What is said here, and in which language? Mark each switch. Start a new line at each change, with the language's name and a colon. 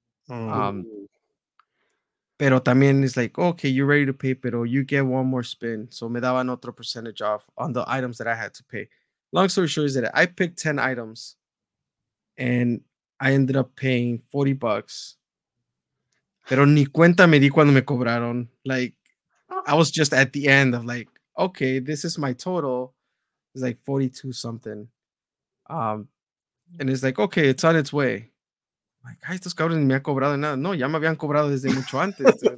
Spanish: Pero también
English: it's like, okay, you're ready to pay, pero you get one more spin. So
Spanish: me daban otro
English: percentage off on the items that I had to pay. Long story short is that I picked 10 items and I ended up paying $40.
Spanish: Pero ni cuenta me di cuando me cobraron.
English: Like, I was just at the end of like, okay, this is my total. It's like 42 something. And it's like, okay, it's on its way. I'm like,
Spanish: ay, estos cabrones ni me han cobrado nada. No, ya me habían cobrado desde mucho antes.